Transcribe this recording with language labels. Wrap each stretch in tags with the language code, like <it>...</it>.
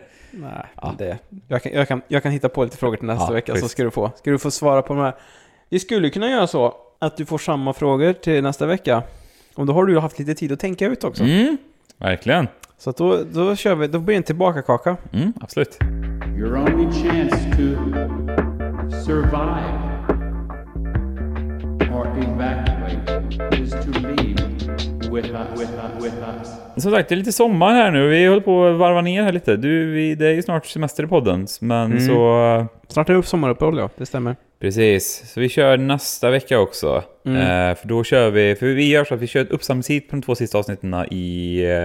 <sv>Nej, det. Jag kan hitta på lite frågor till nästa vecka så ska du få. Ska du få svara på de här. Vi skulle kunna göra så att du får samma frågor till nästa vecka. Om då har du haft lite tid att tänka ut också. Mm. Verkligen. Så att då kör vi, då blir det en tillbaka kaka. Mm, absolut.</sv> <en>Your only chance to survive or evacuate is to leave with us.</en> <sv>Som sagt, det är lite sommar här nu. Vi håller på att varva ner här lite. Det är ju snart semester i podden, men så... Snart är det sommaruppehåll, ja. Det stämmer. Precis. Så vi kör nästa vecka också. Mm. För då kör vi... För vi gör så att vi kör ett uppsamlingshit på de två sista avsnitten i...</sv>